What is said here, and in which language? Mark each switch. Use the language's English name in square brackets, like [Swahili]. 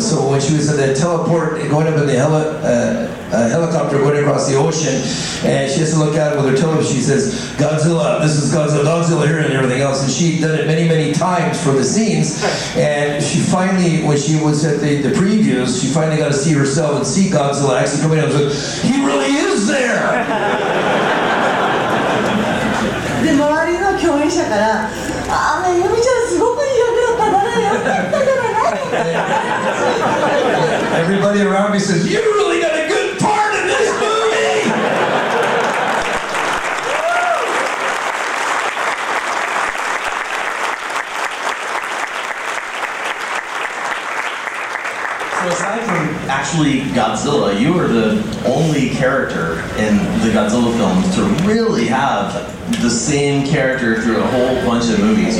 [English] So when she was in the teleport, going up in the helicopter, going across the ocean, and she has to look out with her telescope, she says, Godzilla, this is Godzilla, Godzilla here and everything else. And she'd done it many, many times for the scenes. And she finally, when she was at the previews, she finally got to see herself and see Godzilla actually coming up and said, he really is there! [Japanese] で周りの共演者から、ああね、由美ちゃんすごくいい役だったな、よかったじゃない。 [English] Everybody around me says, you really got a good part in this movie. So aside from actually Godzilla, you are the only character in the Godzilla films to really have the same character through a whole bunch of movies.